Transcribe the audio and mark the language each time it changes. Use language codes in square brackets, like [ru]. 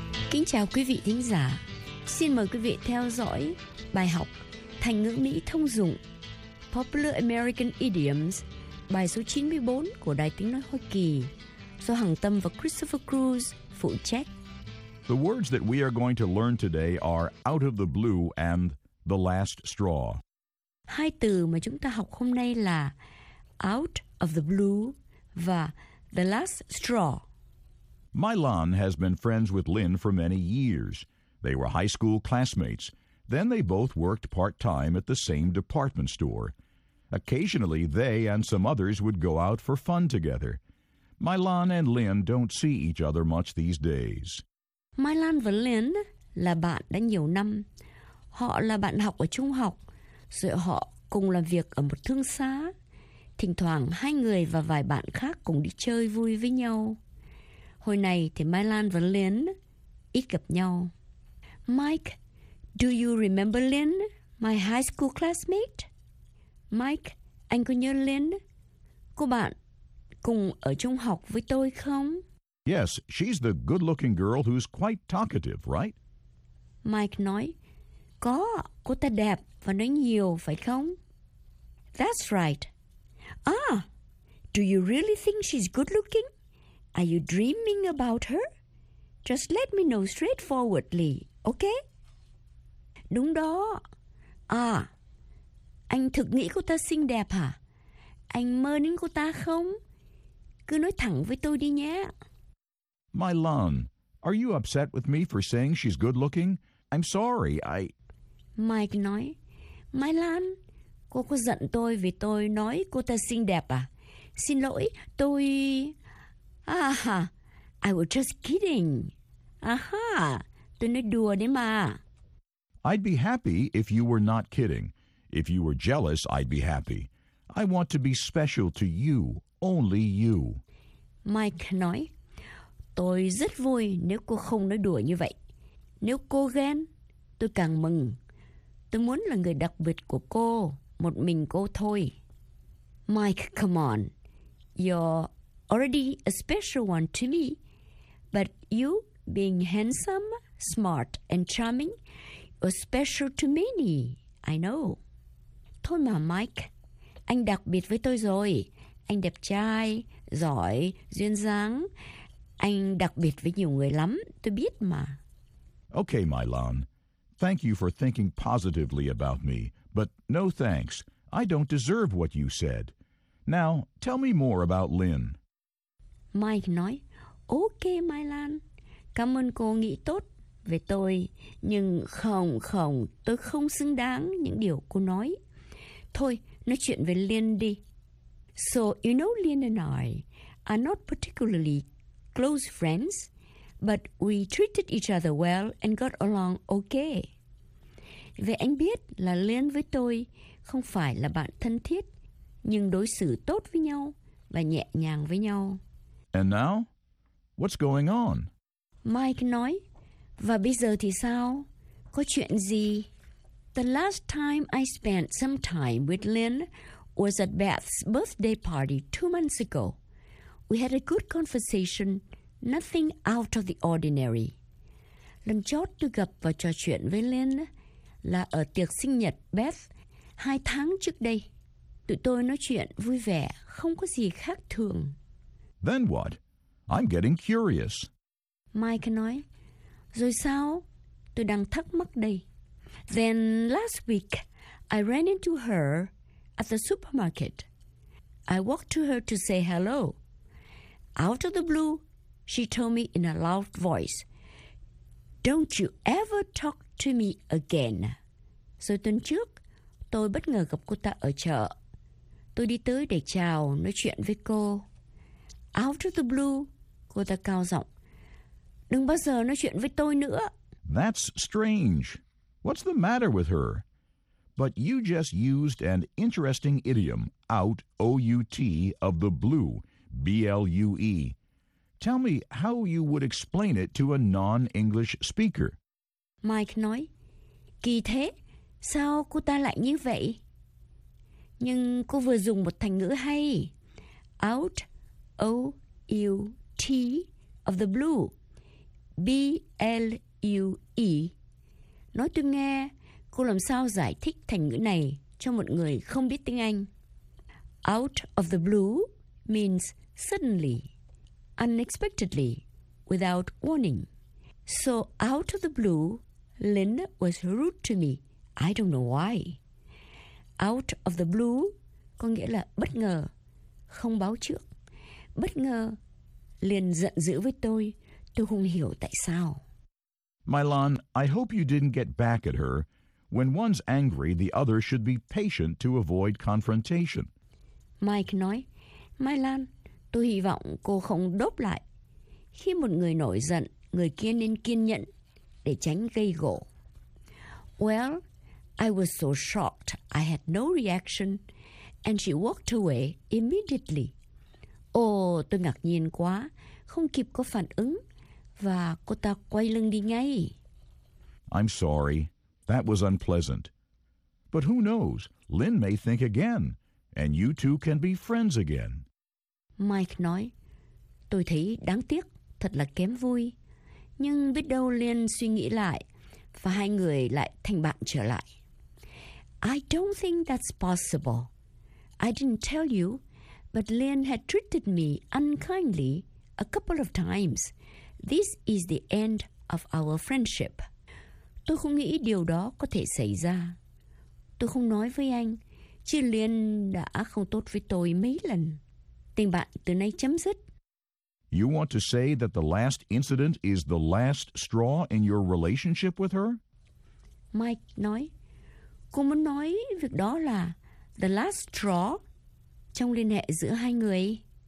[vi] Kính chào quý vị thính giả. Xin mời quý vị theo dõi bài học Thành ngữ Mỹ thông dụng [en] Popular American Idioms, [vi] bài số 94 của Đài Tiếng Nói Hoa Kỳ, do Hằng Tâm và Christopher Cruz phụ trách. [en] The words that we are going to learn today are out of the blue and the last straw. [vi] Hai từ mà chúng ta học hôm nay là out of the blue và the last straw. [en] Mylon has been friends with Lynn for many years. They were high school classmates. Then they both worked part-time at the same department store. Occasionally, they and some others would go out for fun together. Mylon and Lynn don't see each other much these days. [vi] Mylon và Lynn là bạn đã nhiều năm. Họ là bạn học ở trung học, rồi họ cùng làm việc ở một thương xá. Thỉnh thoảng, hai người và vài bạn khác cùng đi chơi vui với nhau. Hồi này thì Mylon và Lynn ít gặp nhau. [en] Mike, do you remember Lynn, my high school classmate? [vi] Mike, anh có nhớ Lynn, cô bạn cùng ở trung học với tôi không? [en] Yes, she's the good-looking girl who's quite talkative, right? [vi] Mike nói, có, cô ta đẹp và nói nhiều, phải không? [en] That's right. Ah, do you really think she's good-looking? Are you dreaming about her? Just let me know straightforwardly, okay? [vi] Đúng đó. À, anh thực nghĩ cô ta xinh đẹp hả? Anh mơ đến cô ta không? Cứ nói thẳng với tôi đi nhé. [en] Mylon, are you upset with me for saying she's good looking? I'm sorry, I... [vi] Mike nói, Mylon, cô có giận tôi vì tôi nói cô ta xinh đẹp à? Xin lỗi, tôi... [en] I was just kidding. [vi] Aha, tôi nói đùa đấy mà. [en] I'd be happy if you were not kidding. If you were jealous, I'd be happy. I want to be special to you, only you. [vi] Mike nói, tôi rất vui nếu cô không nói đùa như vậy. Nếu cô ghen, tôi càng mừng. Tôi muốn là người đặc biệt của cô, một mình cô thôi. [en] Mike, come on. You're already a special one to me. But you being handsome, smart, and charming... A special to many, I know. [vi] Thôi mà Mike, anh đặc biệt với tôi rồi. Anh đẹp trai, giỏi, duyên dáng. Anh đặc biệt với nhiều người lắm, tôi biết mà. [en] Okay, Mylon. Thank you for thinking positively about me. But no thanks. I don't deserve what you said. Now, tell me more about Lynn. [vi] Mike nói, okay, Mylon. Cảm ơn cô nghĩ tốt về tôi, nhưng không, không, tôi không xứng đáng những điều cô nói. Thôi, nói chuyện về Lynn đi. [en] So, you know Lynn and I are not particularly close friends, but we treated each other well and got along okay. [vi] Vậy anh biết là Lynn với tôi không phải là bạn thân thiết, nhưng đối xử tốt với nhau và nhẹ nhàng với nhau. [en] And now, what's going on? [vi] Mike nói, và bây giờ thì sao? Có chuyện gì? [en] The last time I spent some time with Lynn was at Beth's birthday party 2 months ago. We had a good conversation, nothing out of the ordinary. [vi] Lần chót tôi gặp và trò chuyện với Lynn là ở tiệc sinh nhật Beth 2 tháng trước đây. Tụi tôi nói chuyện vui vẻ, không có gì khác thường. [en] Then what? I'm getting curious. [vi] Mike nói, rồi sao? Tôi đang thắc mắc đây. [en] Then last week, I ran into her at the supermarket. I walked to her to say hello. Out of the blue, she told me in a loud voice, "Don't you ever talk to me again." [vi] Rồi tuần trước, tôi bất ngờ gặp cô ta ở chợ. Tôi đi tới để chào, nói chuyện với cô. Out of the blue, cô ta cao giọng. Đừng bao giờ nói chuyện với tôi nữa. [en] That's strange. What's the matter with her? But you just used an interesting idiom, out, O-U-T, of the blue, B-L-U-E. Tell me how you would explain it to a non-English speaker. [vi] Mike nói, kỳ thế, sao cô ta lại như vậy? Nhưng cô vừa dùng một thành ngữ hay. Out, O-U-T, of the blue, B-L-U-E. Nói tôi nghe, cô làm sao giải thích thành ngữ này cho một người không biết tiếng Anh? [en] Out of the blue means suddenly, unexpectedly, without warning. So out of the blue, Lynn was rude to me. I don't know why. [vi] Out of the blue có nghĩa là bất ngờ, không báo trước. Bất ngờ, Lynn giận dữ với tôi. Tôi không hiểu tại sao. [en] Mylon, I hope you didn't get back at her. When one's angry, the other should be patient to avoid confrontation. [vi] Mike nói, Mylon, tôi hy vọng cô không đốp lại. Khi một người nổi giận, người kia nên kiên nhẫn để tránh gây gổ. [en] Well, I was so shocked I had no reaction, and she walked away immediately. [vi] Oh, tôi ngạc nhiên quá, không kịp có phản ứng, và cô ta quay lưng đi ngay. [en] I'm sorry. That was unpleasant. But who knows? Lynn may think again, and you two can be friends again. [vi] Mike nói, tôi thấy đáng tiếc, thật là kém vui. Nhưng biết đâu Lynn suy nghĩ lại, và hai người lại thành bạn trở lại. [en] I don't think that's possible. I didn't tell you, but Lynn had treated me unkindly a couple of times. This is the end of our friendship. [vi] Tôi không nghĩ điều đó có thể xảy ra. Tôi không nói với anh, chứ Lynn đã không tốt với tôi mấy lần. Tình bạn từ nay chấm dứt. [en] You want to say that the last incident is the last straw in your relationship with her? [vi] Mike nói, cô muốn nói việc đó là the last straw trong liên hệ giữa hai người.